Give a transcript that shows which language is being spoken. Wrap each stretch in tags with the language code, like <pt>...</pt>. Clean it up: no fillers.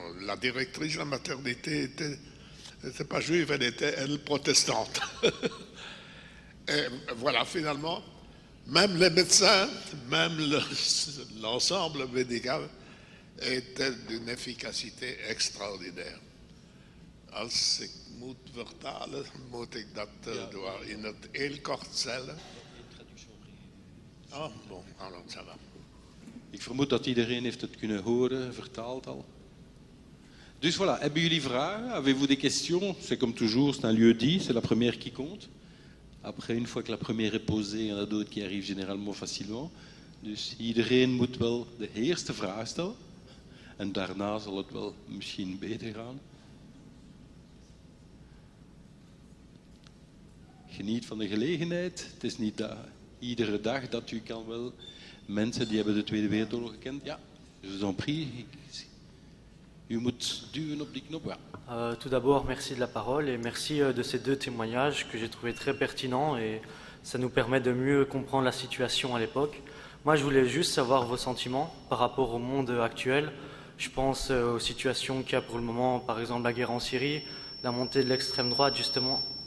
<fr>La directrice de la maternité n'était pas juive, elle était, elle, protestante. Et voilà, finalement, même les médecins, même l'ensemble médical était d'une efficacité extraordinaire.</fr> <nl>Als ik moet vertalen, moet ik dat door in het heel kort stellen.</nl> <fr>Ah, bon, alors ça va.</fr> <nl>Ik vermoed dat iedereen heeft het kunnen horen, vertaald al. Dus voilà, hebben jullie vragen?</nl> <fr>Avez-vous des questions? C'est comme toujours, c'est un lieu dit, c'est la première qui compte. Après, une fois que la première est posée, il y en a d'autres qui arrivent généralement facilement.</fr> <nl>Dus iedereen moet wel de eerste vraag stellen. En daarna zal het wel misschien beter gaan. Geniet van de gelegenheid. Het is niet iedere dag dat u kan wel. Mensen die hebben de Tweede Wereldoorlog gekend. Ja,</nl> <fr>je vous en prie.</fr> <nl>U moet duwen op die knop. Ja.</nl> <fr>Tout d'abord, merci de la parole et merci de ces deux témoignages que j'ai trouvé très pertinents et ça nous permet de mieux comprendre la situation à l'époque. Moi, je voulais juste savoir vos sentiments par rapport au monde actuel. Je pense aux situations qu'il y a pour le moment, par exemple la guerre en Syrie, la montée de l'extrême droite, justement.</fr>